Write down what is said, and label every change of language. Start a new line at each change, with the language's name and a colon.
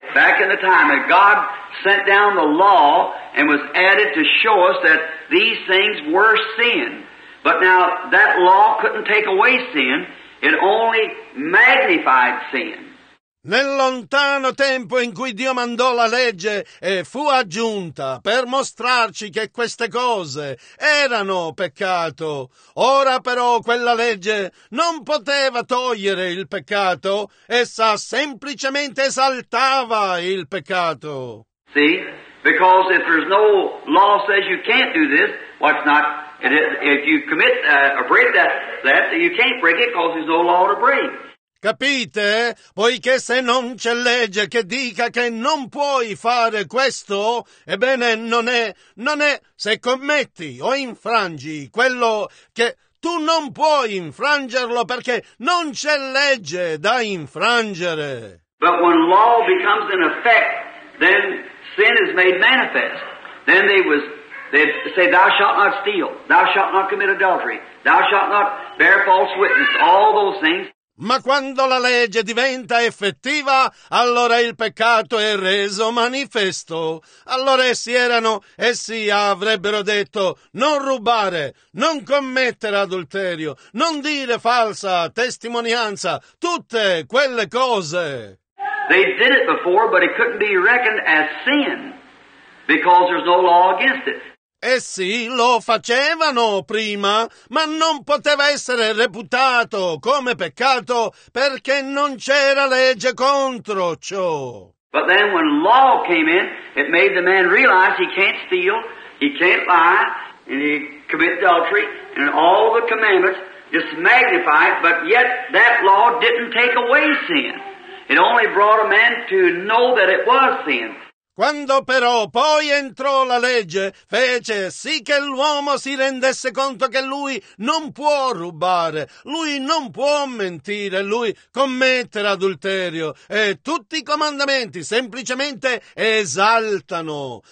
English: Back in the time that God sent down the law and was added to show us that these things were sin. But now, that law couldn't take away sin, it only magnified sin.
Italian: Nel lontano tempo in cui Dio mandò la legge e fu aggiunta per mostrarci che queste cose erano peccato, ora però quella legge non poteva togliere il peccato, essa semplicemente esaltava il peccato.
English: See? Because if there's no law says you can't do this, what's not... And if you commit a break that you can't break it because there's no law to break.
Italian: Capite? Poiché se non c'è legge che dica che non puoi fare questo, ebbene non è se commetti o infrangi quello che tu non puoi infrangerlo perché non c'è legge da infrangere.
English: But when law becomes in effect, then sin is made manifest. Then they say, thou shalt not steal, thou shalt not commit adultery, thou shalt not bear false witness, all those things.
Italian: Ma quando la legge diventa effettiva, allora il peccato è reso manifesto. Allora essi avrebbero detto, non rubare, non commettere adulterio, non dire falsa testimonianza, tutte quelle cose.
English: They did it before, but it couldn't be reckoned as sin, because there's no law against it.
Italian: Eh sì, lo facevano prima, ma non poteva essere reputato come peccato perché non c'era legge contro ciò.
English: But then when law came in, it made the man realize he can't steal, he can't lie, and he commit adultery, and all the commandments just magnified, but yet that law didn't take away sin. It only brought a man to know that it was sin.
Italian: Quando però poi entrò la legge, fece sì che l'uomo si rendesse conto che lui non può rubare, lui non può mentire, lui commettere adulterio. E tutti i comandamenti semplicemente esaltano.